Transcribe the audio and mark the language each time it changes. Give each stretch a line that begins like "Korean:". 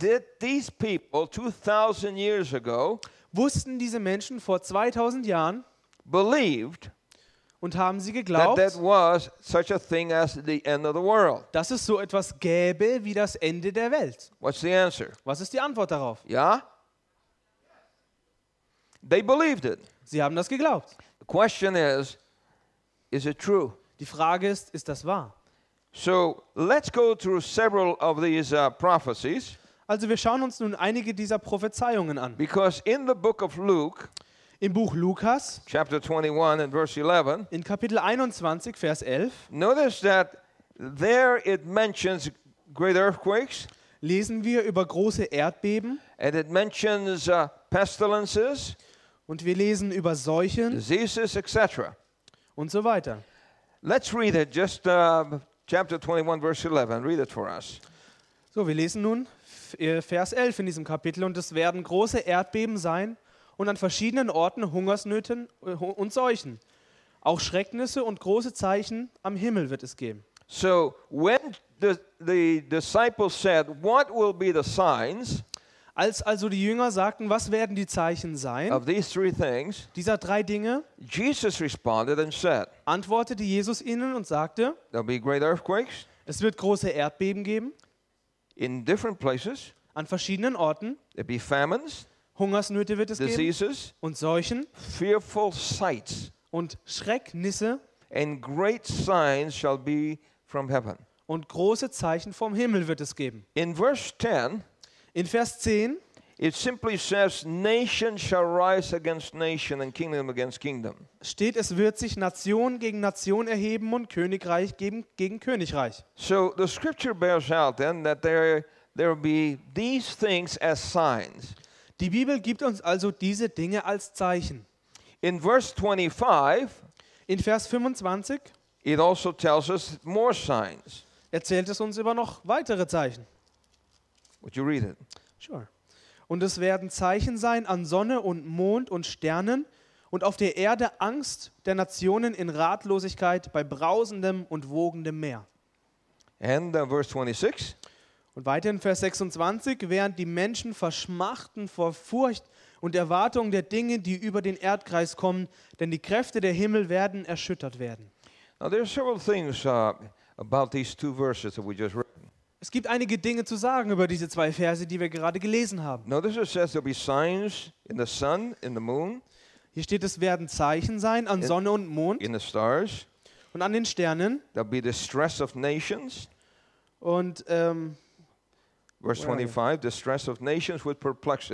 English: Did these people 2000 years ago,
German: wussten diese Menschen vor 2000 Jahren,
English: believed,
German: und haben sie geglaubt,
English: that there was such a thing as the end of the world,
German: dass es so etwas gäbe wie das Ende der Welt?
English: What's the answer?
German: Was ist die Antwort darauf? Ja?
English: They believed it.
German: Sie haben das geglaubt.
English: The question is it true?
German: Die Frage ist das wahr?
English: So, let's go through several of these prophecies.
German: Also wir schauen uns nun einige dieser Prophezeiungen an.
English: Because in the book of Luke,
German: im Buch Lukas,
English: chapter 21 and verse 11,
German: in Kapitel 21, Vers 11,
English: notice that there it mentions great earthquakes.
German: Lesen wir über große Erdbeben.
English: And it mentions pestilences,
German: und wir lesen über Seuchen,
English: diseases, etc.
German: Und so weiter.
English: Let's read it just Chapter 21, verse 11. Read it for us.
German: So, wir lesen nun Vers 11 in diesem Kapitel. Und es werden große Erdbeben sein und an verschiedenen Orten Hungersnöten und Seuchen. Auch Schrecknisse und große Zeichen am Himmel wird es geben.
English: So, when the disciples said, what will be the signs?
German: Als also die Jünger sagten, was werden die Zeichen sein?
English: Of these three things,
German: dieser drei Dinge.
English: Jesus responded and said,
German: antwortete Jesus ihnen und sagte,
English: there'll be great earthquakes.
German: Es wird große Erdbeben geben.
English: In different places,
German: an verschiedenen Orten.
English: There'll be famines,
German: Hungersnöte wird es
English: diseases,
German: geben und Seuchen.
English: Fearful sights.
German: Und Schrecknisse.
English: And great signs shall be from heaven.
German: Und große Zeichen vom Himmel wird es geben.
English: In verse 10,
German: in Vers 10,
English: it simply says, nation shall rise against nation and kingdom against kingdom.
German: Steht, es wird sich Nation gegen Nation erheben und Königreich gegen Königreich.
English: So the scripture bears out then that there will be these things as signs.
German: Die Bibel gibt uns also diese Dinge als Zeichen.
English: In verse 25,
German: in Vers 25,
English: it also tells us more signs.
German: Erzählt es uns über noch weitere Zeichen.
English: Would you read it? Sure.
German: Und es werden Zeichen sein an Sonne und Mond und Sternen und auf der Erde Angst der Nationen in Ratlosigkeit bei brausendem und wogendem Meer.
English: And verse 26.
German: Und weiter in Vers 26, während die Menschen verschmachten vor Furcht und Erwartung der Dinge, die über den Erdkreis kommen, denn die Kräfte der Himmel werden erschüttert werden.
English: Now there are several things about these two verses that we just read.
German: Es gibt einige Dinge zu sagen über diese zwei Verse, die wir gerade gelesen haben.
English: Notice it says there'll be signs in the sun, in the moon.
German: Hier steht, es werden Zeichen sein an Sonne und Mond.
English: In the stars.
German: Und an den Sternen.
English: There'll be distress of nations.
German: Und
English: verse 25, distress of nations with perplexity.